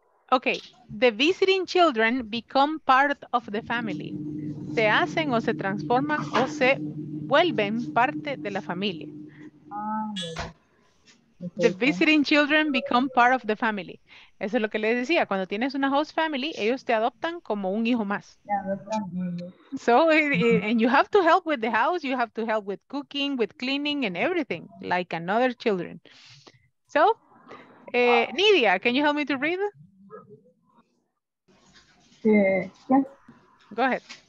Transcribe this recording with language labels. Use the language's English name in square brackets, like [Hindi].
[English] Okay, the visiting children become part of the family. [Spanish] Se hacen o se transforman o se vuelven parte de la familia. The visiting children become part of the family. Eso es lo que les decía. Cuando tienes una host family, ellos te adoptan como un hijo más. [English] So, and you have to help with the house. You have to help with cooking, with cleaning, and everything. Like another children. So, Nidia, can you help me to read? Yes. Go ahead.